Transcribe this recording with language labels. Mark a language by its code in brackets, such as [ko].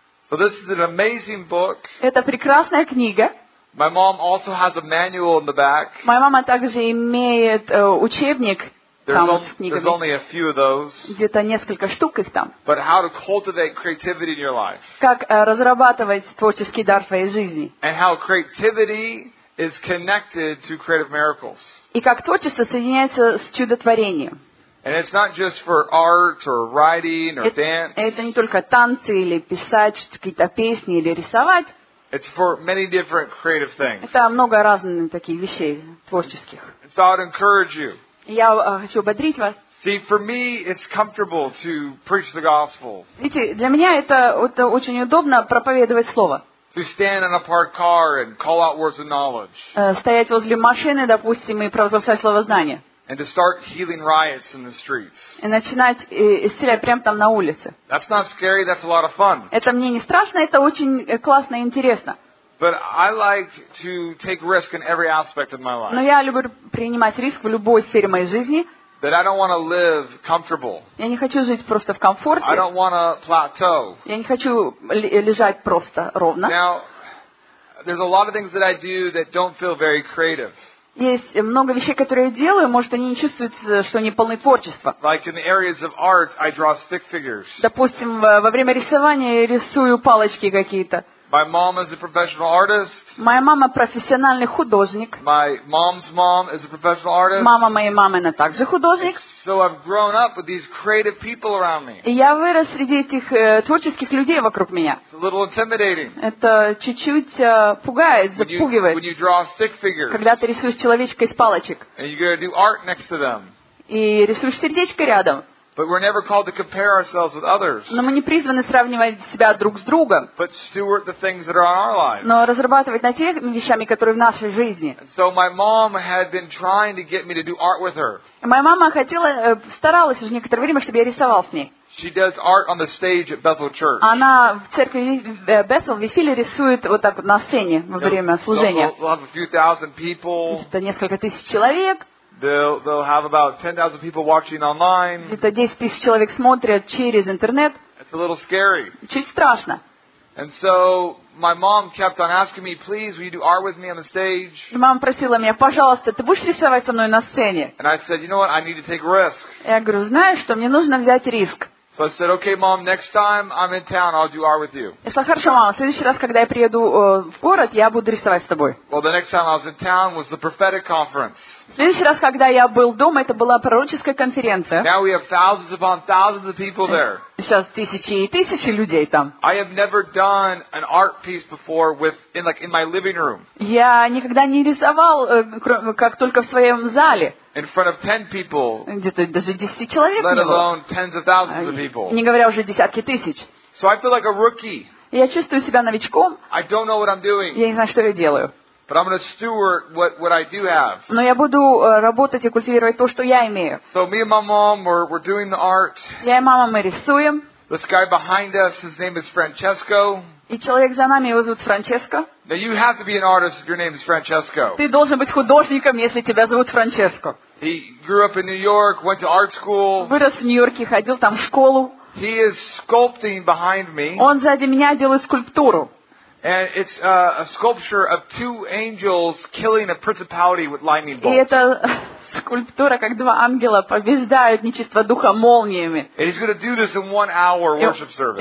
[en] So this is an amazing book. [ru] Это прекрасная книга. [en] My mom also has a manual in the back. [ru] Моя мама также имеет учебник. [en] There's only a few of those. [ru] Где-то несколько штук их там. [en] But how to cultivate creativity in your life? [ru] Как разрабатывать творческий дар в своей жизни? [en] And how creativity is connected to creative miracles? [ru] И как творчество соединяется с чудотворением? [en] And it's not just for art or writing or dance. [ru] Это не только танцы или писать какие-то песни или рисовать. [en] It's for many different creative things. [ru] Это много разных таких вещей творческих. [en] So I'd encourage you. [ru] Я хочу ободрить вас. [en] See, for me, it's comfortable to preach the gospel. [ru] Видите, для меня это очень удобно проповедовать слово. [en] To stand in a parked car and call out words of knowledge. [ru] Стоять возле машины, допустим, и провозглашать слово знания. [en] And to start healing riots in the streets. [ru] И начинать исцелять прямо там на улице. [en] That's not scary, that's a lot of fun. [ru] Это мне не страшно, это очень классно и интересно. [en] But I like to take risk in every aspect of my life. [ru] Но я люблю принимать риск в любой сфере моей жизни. [en] That I don't want to live comfortable. [ru] Я не хочу жить просто в комфорте. [en] I don't want to plateau. [ru] Я не хочу лежать просто ровно. [en] Now, there's a lot of things that I do that don't feel very creative. [ru] Есть много вещей, которые я делаю, может, они не чувствуются, что они полны творчества. [en] Like in the areas of art, I draw stick figures. [ru] Допустим, во время рисования я рисую палочки какие-то. [en] My mom is a professional artist. [ru] Моя мама профессиональный художник. [en] My mom's mom is a professional artist. [ru] Мама моей мамы, она также художник. [en] So I've grown up with these creative people around me. [ru] И я вырос среди этих творческих людей вокруг меня. [en] It's a little intimidating. [ru] Это чуть-чуть пугает, запугивает. [en] When you draw stick figures. [ru] Когда ты рисуешь человечка из палочек. [en] And you're gonna do art next to them. [ru] И рисуешь сердечко рядом. [en] But we're never called to compare ourselves with others. [ru] Но мы не призваны сравнивать себя друг с другом. [en] But steward the things that are in our lives. [ru] Но разрабатывать над теми вещами, которые в нашей жизни. [en] So my mom had been trying to get me to do art with her. [ru] Моя мама хотела, старалась уже некоторое время, чтобы я рисовал с ней. [en] She does art on the stage at Bethel Church. [ru] Она в церкви Bethel в Вифиле рисует вот так вот на сцене во время служения. [en] We'll have a few thousand people. [ru] Это несколько тысяч человек. [en] They'll have about 10,000 people watching online. [ru] Где-то 10,000 человек смотрят через интернет. [en] It's a little scary. [ru] Чуть страшно. [en] And so my mom kept on asking me, "Please, will you do art with me on the stage?" [ru] Мама просила меня, пожалуйста, ты будешь рисовать со мной на сцене? [en] And I said, "You know what? I need to take a risk." [ru] Я говорю, знаешь что, мне нужно взять риск. [en] So I said, "Okay, mom, next time I'm in town, I'll do art with you." [ru] Я сказала, хорошо, мама, в следующий раз, когда я приеду в город, я буду рисовать с тобой. [en] Well, the next time I was in town was the prophetic conference. [ru] В следующий раз, когда я был дома, это была пророческая конференция. [en] Now we have thousands upon thousands of people there. [ru] Сейчас тысячи и тысячи людей там. [en] I have never done an art piece before in my living room. [ru] Я никогда не рисовал, как только в своем зале. [en] In front of 10 people. [ru] Где-то даже 10 человек не было. [en] Let alone tens of thousands of people. [ru] Не говоря уже десятки тысяч. [en] So I feel like a rookie. [ru] Я чувствую себя новичком. [en] I don't know what I'm doing. [ru] Я не знаю, что я делаю. [en] But I'm going to steward what I do have. [ru] Но я буду работать и культивировать то, что я имею. [en] So me and my mom we're doing the art. [ru] Я и мама, мы рисуем. [en] This guy behind us, his name is Francesco. [ru] И человек за нами, его зовут Франческо. [en] Now you have to be an artist if your name is Francesco. [ru] Ты должен быть художником, если тебя зовут Франческо. [en] He grew up in New York, went to art school. [ru] Вырос в Нью-Йорке, ходил там в школу. [en] He is sculpting behind me. [ru] Он сзади меня делает скульптуру. [en] And it's a sculpture of two angels killing a principality with lightning bolts. [ru] И это скульптура, как два ангела побеждают нечистого духа молниями. [en] And he's going to do this in 1 hour worship service.